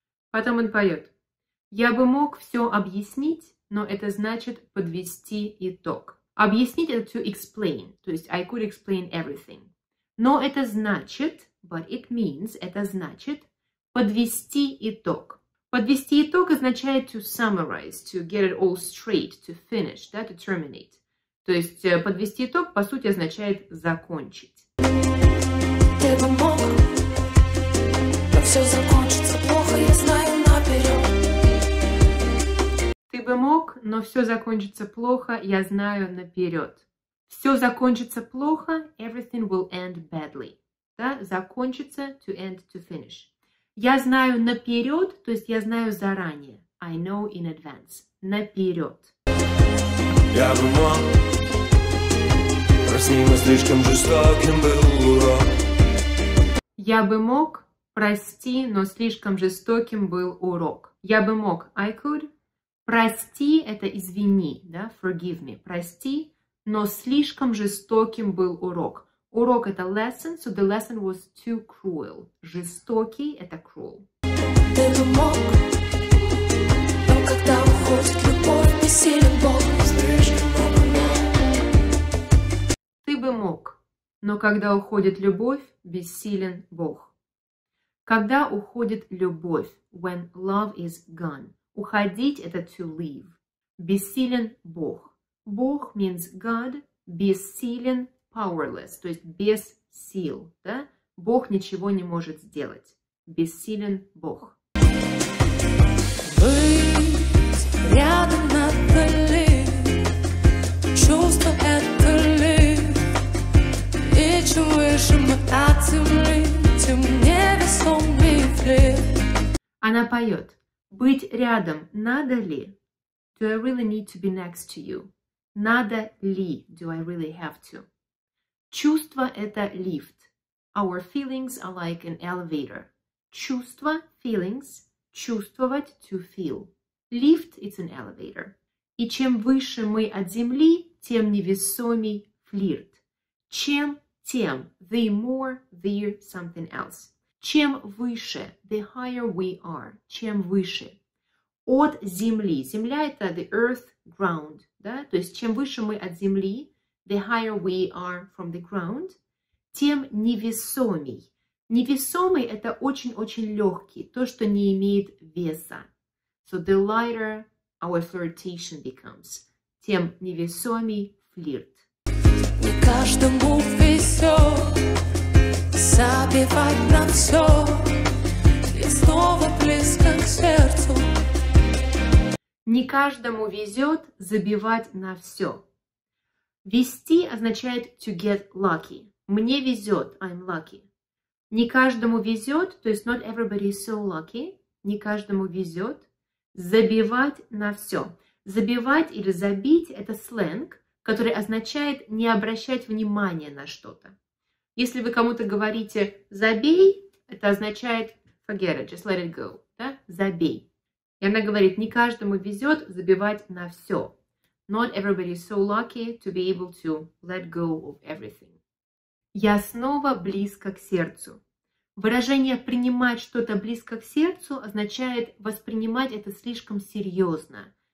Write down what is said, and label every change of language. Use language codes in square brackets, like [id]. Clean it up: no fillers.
[ru] Потом он поет. Я бы мог все объяснить, но это значит подвести итог. Объяснить это [en] to explain, [ru] то есть [en] I could explain everything. [ru] Но это значит, [en] but it means, [ru] это значит подвести итог. Подвести итог означает [en] to summarize, to get it all straight, to finish, [ru] да, [en] to terminate. [ru] То есть подвести итог, по сути, означает закончить. Ты бы мог, но все закончится плохо, я знаю наперед. Ты бы мог, но все закончится плохо, я знаю наперед. Все закончится плохо, [en] everything will end badly. [ru] Да, закончится, [en] to end, to finish. [ru] Я знаю наперед, то есть я знаю заранее. [en] I know in advance. [ru] Наперед. Я бы мог, прости, но слишком жестоким был урок. Я бы мог, прости, но слишком жестоким был урок. Я бы мог, [en] I could. [ru] Прости, это извини, да, [en] forgive me. [ru] Прости, но слишком жестоким был урок. Урок — это [en] lesson, so the lesson was too cruel. [ru] Жестокий — это cruel. Ты бы мог, но когда уходит любовь, не силен Бог. Ты бы мог, но когда уходит любовь, бессилен Бог. Когда уходит любовь, [en] when love is gone. [ru] Уходить — это [en] to leave. [ru] Бессилен Бог. [en] Бог means God, [ru] бессилен — [en] powerless, [ru] то есть без сил, да? Бог ничего не может сделать. Бессилен Бог. Быть рядом надо ли? Чувство это ли? И чем выше мы от земли, тем невесомый флир. Она поет. Быть рядом надо ли? [en] Do I really need to be next to you? [ru] Надо ли? [en] Do I really have to? [ru] Чувство — это лифт. [en] Our feelings are like an elevator. [ru] Чувство — feelings. [en] Чувствовать — to feel. Лифт — it's an elevator. [ru] И чем выше мы от земли, тем невесомей флирт. Чем — тем. [en] The more, the something else. [ru] Чем выше [en] — the higher we are. [ru] Чем выше. От земли. Земля — это [en] the earth, ground. [ru] Да? То есть чем выше мы от земли, [en] the higher we are from the ground, [ru] тем невесомей. Невесомый – это очень-очень легкий, то, что не имеет веса. [en] So the lighter our flirtation becomes, [ru] тем невесомей флирт. Не каждому везет забивать на все и снова близко к сердцу. Не каждому везет забивать на все. Вести означает [en] to get lucky. [ru] Мне везет, [en] I'm lucky. [ru] Не каждому везет, то есть [en] not everybody is so lucky. [ru] Не каждому везет забивать на все. Забивать или забить — это сленг, который означает не обращать внимания на что-то. Если вы кому-то говорите забей, это означает [en] forget it, just let it go. [ru] Да? Забей. И она говорит, не каждому везет забивать на все. [en] Not everybody is so lucky to be able to let go of everything. [ru] Я снова близко к сердцу. Выражение «принимать что-то близко к сердцу» означает воспринимать это слишком серьезно.